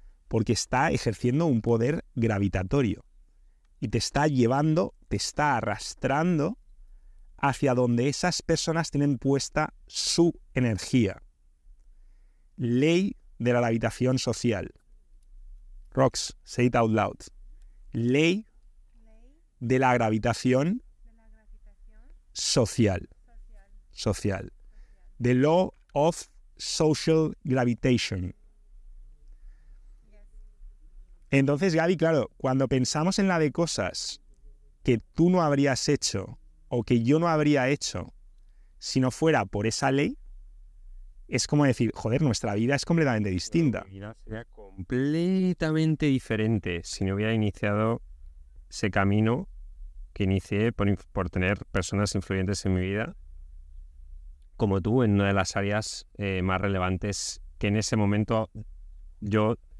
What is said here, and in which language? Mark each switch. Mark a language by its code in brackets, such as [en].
[es] Porque está ejerciendo un poder gravitatorio y te está llevando, te está arrastrando hacia donde esas personas tienen puesta su energía. Ley de la gravitación social. Rox, [en] say it out loud. [es] Ley de la gravitación social. Social. [en] The law of social gravitation. [es] Entonces, Gaby, claro, cuando pensamos en la de cosas que tú no habrías hecho o que yo no habría hecho si no fuera por esa ley, es como decir, joder, nuestra vida es completamente distinta. Mi vida sería completamente diferente si no hubiera iniciado ese camino que inicié por tener personas influyentes en mi vida, como tú, en una de las áreas más relevantes que en ese momento yo...